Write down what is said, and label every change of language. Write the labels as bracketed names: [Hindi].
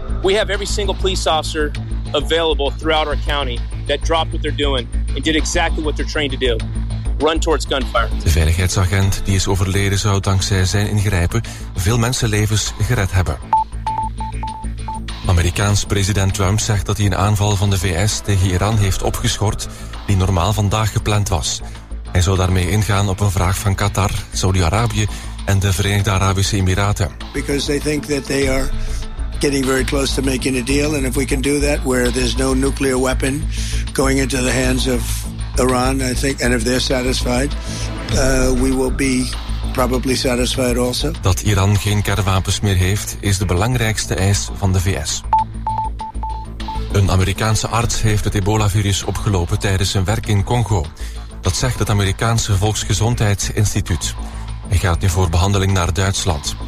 [Dutch] We hebben [English] every single police officer available throughout our county that dropped what they're doing and did exactly what they're trained to do. Run towards gunfire. [Dutch] De veiligheidsagent die is overleden zou dankzij zijn ingrijpen veel mensenlevens gered hebben. Amerikaans president Trump zegt dat hij een aanval van de VS tegen Iran heeft opgeschort die normaal vandaag gepland was. Hij zou daarmee ingaan op een vraag van Qatar, Saudi-Arabië en de Verenigde Arabische Emiraten. [English] Because they think that they are getting very close to making a deal, and if we can do that where there's no nuclear weapon going into the hands of Iran, I think, and if they're satisfied, we will be probably satisfied also. [Dutch] Dat Iran geen kernwapens meer heeft, is de belangrijkste eis van de VS. Een Amerikaanse arts heeft het ebola-virus opgelopen tijdens zijn werk in Congo. Dat zegt het Amerikaanse Volksgezondheidsinstituut. Hij gaat nu voor behandeling naar Duitsland.